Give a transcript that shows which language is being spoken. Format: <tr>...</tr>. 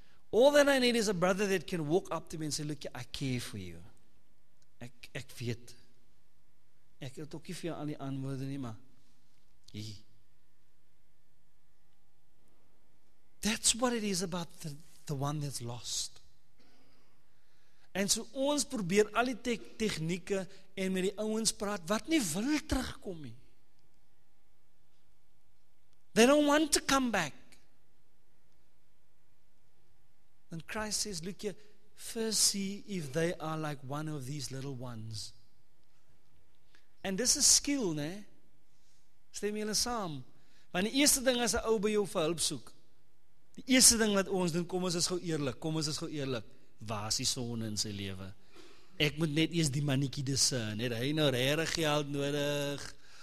<en>All that I need is a brother that can walk up to me and say, look, I care for you.</en> <af>Ek weet. Ek het ook nie vir jou al die antwoorde nie, maar hier.</af> <en>That's what it is about the one that's lost.</en> <af>En so ons probeer al die tegnieke en met die ouens praat, wat nie wil terugkom nie.</af> <en>They don't want to come back. And Christ says, look here, first see if they are like one of these little ones. And this is skill, ne?</en> <af>Stem julle saam. Want die eerste ding as 'n ou by jou vir hulp soek, die eerste ding wat ons doen, kom ons is gou eerlik, waar is die sonde in sy lewe? Ek moet net eers die mannetjie discern. Het hy nou regtig geld nodig?</af>